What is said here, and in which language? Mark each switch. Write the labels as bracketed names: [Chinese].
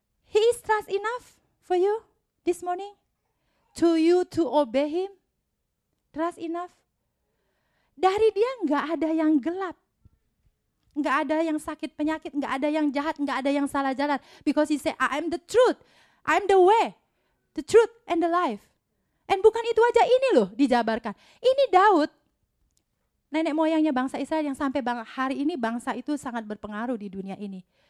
[English] He is trust enough for you this morning? To you to obey him? Trust enough? [Indonesian] Dari dia enggak ada yang gelap. Enggak ada yang sakit penyakit, enggak ada yang jahat, enggak ada yang salah jalan. [English] Because he say, I am the truth, I am the way. The truth and the life. And [Indonesian] bukan itu aja, ini loh dijabarkan. Ini Daud, nenek moyangnya bangsa Israel yang sampai hari ini bangsa itu sangat berpengaruh di dunia ini.